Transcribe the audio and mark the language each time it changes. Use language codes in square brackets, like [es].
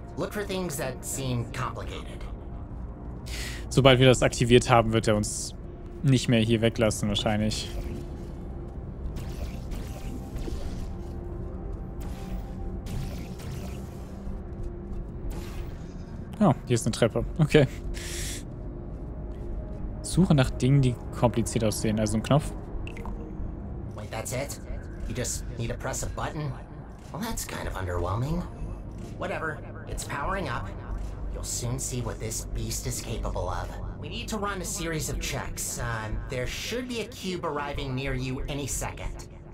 [en] Look for things that seem complicated. [de] Sobald wir das aktiviert haben, wird er uns nicht mehr hier weglassen, wahrscheinlich. Oh, hier ist eine Treppe. Okay. Suche nach Dingen, die kompliziert aussehen. Also ein Knopf. [en] Wait, that's it? You just need to press a button? Well, that's kind of underwhelming. Whatever, it's powering up. You'll soon see what this beast is capable of. We need to run a series of checks. There should be a cube arriving near you any second.